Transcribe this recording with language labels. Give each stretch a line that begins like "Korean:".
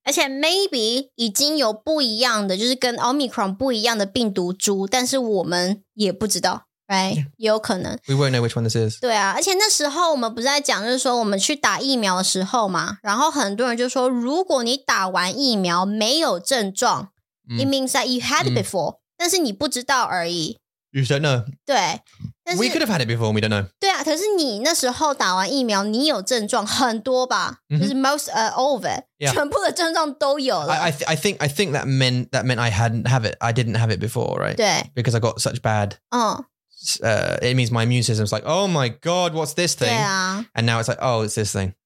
Chinese: 而且 maybe 已经有不一样的，就是跟 Omicron 不一样的病毒株，但是我们也不知道。 Right, 有可能。
English: We won't know which one this is.
Chinese: 对啊，而且那时候我们不是在讲，就是说我们去打疫苗的时候嘛，然后很多人就说，如果你打完疫苗没有症状、mm.
English: ，it means that you had it before，、mm.
Chinese: 但是你不知道而已。
English: You don't know.
Chinese: 对。
English: We could have had it before, we don't know.
Chinese: 对啊，可是你那时候打完疫苗，你有症状很多吧？
English: Mm-hmm. 就是 most all of it,、 yeah.
Chinese: 全部的症状都有了。
English: I think that meant I didn't have it before, right?
Chinese: 对。
English: Because I got such bad.
Chinese: 嗯。
English: It means my immune system is like, oh my god, what's this thing?
Chinese: 对啊。
English: And now it's like, oh, it's this thing.